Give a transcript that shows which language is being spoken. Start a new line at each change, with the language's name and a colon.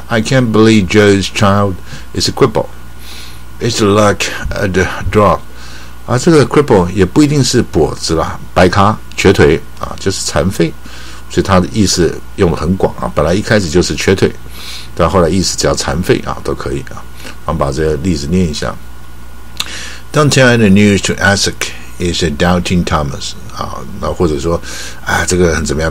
English: I can't believe Joe's child is a cripple. It's like a drop
Chinese: 啊，这个 cripple 也不一定是跛子啦，白咖瘸腿啊，就是残废，所以他的意思用得很广啊。本来一开始就是瘸腿，但后来意思只要残废啊都可以啊。我把这个例子念一下。
English: Don't tell any news to Isaac, is a doubting Thomas.
Chinese: 啊，那或者说，啊，这个很怎么样？